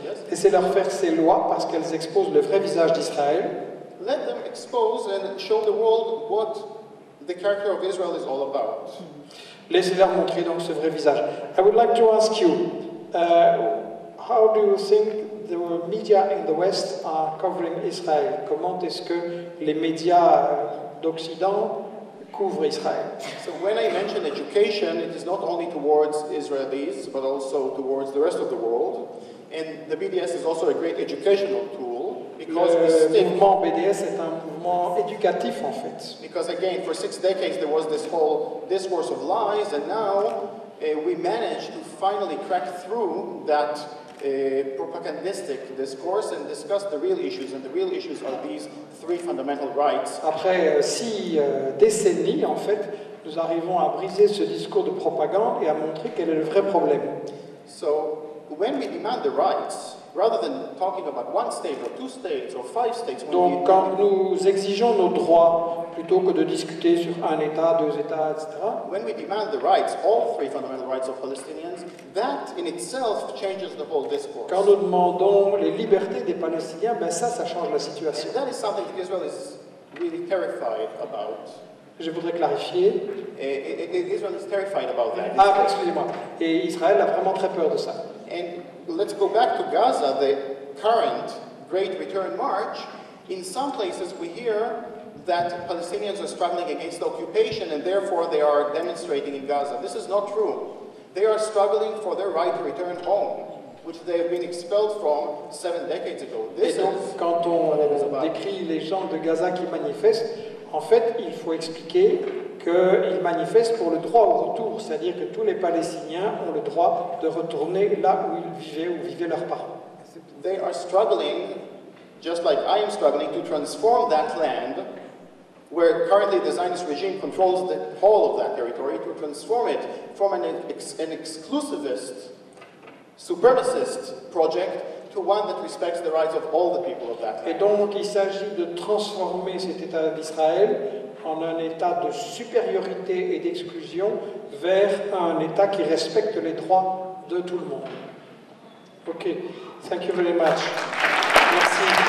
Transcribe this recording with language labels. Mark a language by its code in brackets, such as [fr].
[fr] Laissez-leur faire ces lois parce qu'elles exposent le vrai visage d'Israël. [en] Let them expose and show the world what the character of Israel is all about. [fr] Laissez-leur montrer donc ce vrai visage. [en] I would like to ask you, how do you think the media in the West are covering Israel? [fr] Comment est-ce que les médias d'Occident couvre Israël? [en] So when I mention education, it is not only towards Israelis, but also towards the rest of the world. And the BDS is also a great educational tool because [fr] le [en] we stick. [fr] Mouvement BDS est un mouvement éducatif en fait. [en] Because again, for 6 decades there was this whole discourse of lies, and now we managed to finally crack through that propagandistic discourse and discuss the real issues, and the real issues are these three fundamental rights. [fr] Après 6 décennies, en fait, nous arrivons à briser ce discours de propagande et à montrer quel est le vrai problème. [en] So, when we demand the rights, rather than talking about one state or two states or 5 states, [fr] donc [en] when we [fr] quand nous exigeons nos droits plutôt que de discuter sur un état, deux états, etc. [en] When we demand the rights, all three fundamental rights of Palestinians, that in itself changes the whole discourse. [fr] Quand nous demandons les libertés des Palestiniens, ben ça change la situation. [en] And that is something that Israel is really terrified about. [fr] Je voudrais clarifier. [en] Israel is terrified about that. [fr] Ah, excusez-moi. Et Israël a vraiment très peur de ça. [en] And let's go back to Gaza, the current Great Return March. In some places we hear that Palestinians are struggling against occupation and therefore they are demonstrating in Gaza. This is not true. They are struggling for their right to return home, which they have been expelled from 7 decades ago. This [fr] et donc, quand on décrit les gens de Gaza qui manifestent, en fait, il faut expliquer qu'ils manifestent pour le droit au retour, c'est-à-dire que tous les Palestiniens ont le droit de retourner là où ils vivaient, où vivaient leurs parents. [en] They are struggling, just like I am struggling, to transform that land where currently the Zionist regime controls the whole of that territory, to transform it from an exclusivist, supremacist project to one that respects the rights of all the people of that land. [fr] Et donc il s'agit de transformer cet État d'Israël en un État de supériorité et d'exclusion vers un État qui respecte les droits de tout le monde. [en] Ok. Thank you very much. [fr] Merci.